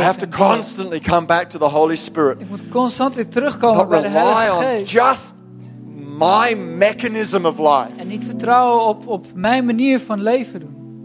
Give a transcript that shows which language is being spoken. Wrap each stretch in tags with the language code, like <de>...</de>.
<en>I have to constantly come back to the Holy Spirit.</en> <nl>Ik moet constant weer terugkomen bij de Heilige Geest.</nl> <en>Not rely on just my mechanism of life.</en> <nl>En niet vertrouwen op mijn manier van leven doen.</nl>